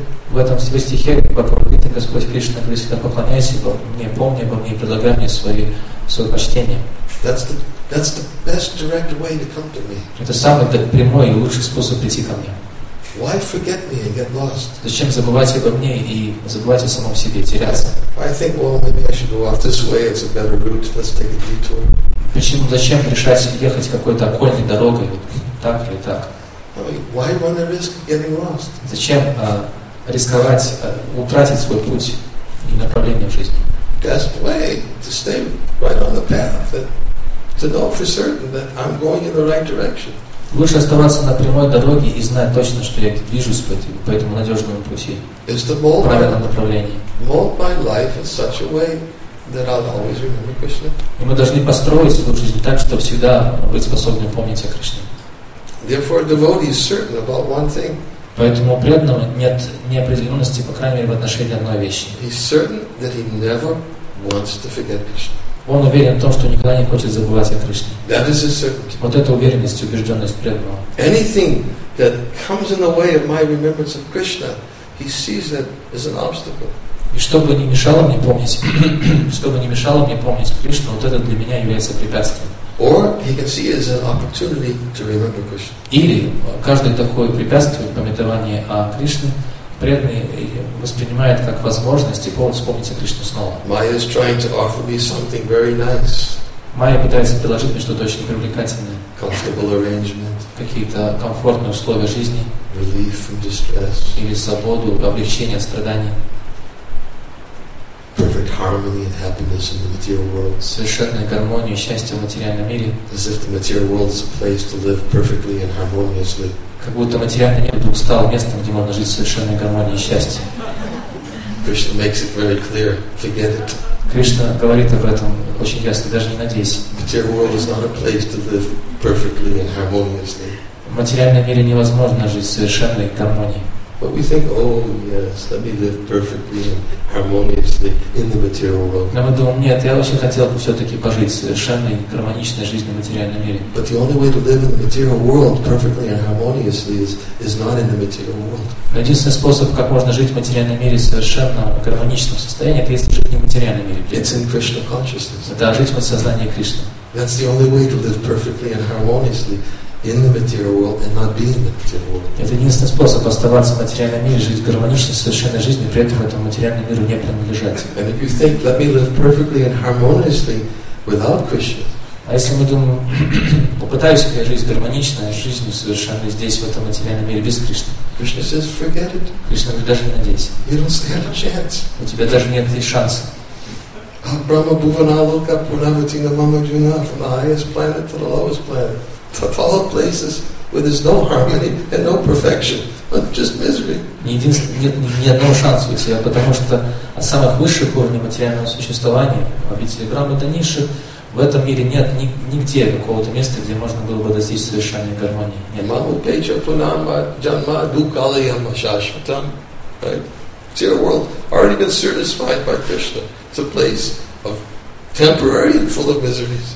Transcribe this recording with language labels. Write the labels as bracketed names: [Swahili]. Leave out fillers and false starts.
[Russian] В этом стихе Бхагавад-гите Господь Кришна говорит всегда: поклоняйся обо мне, помни обо мне и предлагай мне свое почтение. [English] That's the best direct way to come to me. [Russian] Это самый прямой и лучший способ прийти ко мне. [English] Why forget me and get lost? [Russian] Зачем забывать обо мне и забывать о самом себе, теряться? [English] I think, well, maybe I should go off this way. It's a better route. Let's take a detour. [Russian] Почему, зачем решать ехать какой-то окольной дорогой, так или так? [English] Why run the risk of getting lost? [Russian] Зачем рисковать, утратить свой путь и направление в жизни? [English] Best way to stay right on the path. To know for certain that I'm going in the right direction. [Russian] Лучше оставаться на прямой дороге и знать точно, что я движусь по этому надежному пути. [English] Is to mold [Russian] правильном направлении. [English] Mold my life in such a way that I'll always remember Krishna. [Russian] И мы должны построить свою жизнь так, чтобы всегда быть способным помнить о Кришне. [English] Therefore, a devotee is certain about one thing. [Russian] Поэтому преданному нет неопределенности, по крайней мере, в отношении одной вещи. [English] He's certain that he never wants to forget Krishna. [Russian] Он уверен в том, что никогда не хочет забывать о Кришне. [English] That is a certainty. [Russian] Вот это уверенность и убежденность преданного. [English] Anything that comes in the way of my remembrance of Krishna, he sees it as an obstacle. [Russian] И чтобы не мешало мне помнить, чтобы не мешало мне помнить Кришну, вот это для меня является препятствием. [English] Or he can see it as an opportunity to remember Krishna. [Russian] Или каждое такое препятствие в памятовании о Кришне преданный воспринимает как возможность и повод вспомнить о Кришне снова. [English] Майя is trying to offer me something very nice. [Russian] Майя пытается предложить мне что-то очень привлекательное. [English] Comfortable arrangement. [Russian] Какие-то комфортные условия жизни. [English] Relief from distress. [Russian] Или свободу, облегчение от страданий. [English] Perfect harmony and happiness in the material world. [Russian] Совершенная гармония и счастье в материальном мире. [English] As if the material world is a place to live perfectly and harmoniously. [Russian] Как будто материальный мир вдруг стал местом, где можно жить в совершенной гармонии и счастье. [English] Krishna makes it very clear. Forget it. [Russian] Кришна говорит об этом очень ясно, даже не надейся. [English] Material world is not a place to live perfectly and harmoniously. [Russian] В материальном мире невозможно жить в совершенной гармонии. [English] But we think, oh yes, let me live perfectly and harmoniously in the material world. [Russian] Но мы думаем, нет, я очень хотел бы все-таки пожить совершенной гармоничной жизнью в материальном мире. [English] But the only way to live in the material world perfectly and harmoniously is not in the material world. [Russian] Но единственный способ, как можно жить в материальном мире совершенно гармоничном состоянии, это если жить не в материальном мире. [English] It's in Krishna consciousness. [Russian] Это жить в сознании Кришны. [English] That's the only way to live perfectly and harmoniously. In the material world and not being in the material world. [Russian] Это единственный способ оставаться в материальном мире, жить гармоничной, совершенной жизнью, при этом этому материальному миру не принадлежать. [English] And if you think, let me live perfectly and harmoniously without Krishna. [Russian] А если мы думаем, попытаюсь я жить гармоничной жизнью, совершенной здесь, в этом материальном мире, без Кришны? [English] Krishna says, forget it. [Russian] Кришна говорит, даже не надейся. [English] You don't stand a chance. [Russian] У тебя даже нет и шанса. [Sanskrit] Brahma Bhuvana Loka Purnavati Namama Juna, [English] from the highest planet to the lowest planet. To follow places where there's no harmony and no perfection, but just misery. [Russian] Ни одного шанса у тебя, потому что от самых высших уровней материального существования в обители Брахмы до низших в этом мире нет нигде какого-то места, где можно было бы достичь совершенной гармонии. [Sanskrit] Маму печа пунама джанма дукалаяма шашватам. [English] Right? Material world already been certified by Krishna. It's a place of temporary and full of miseries.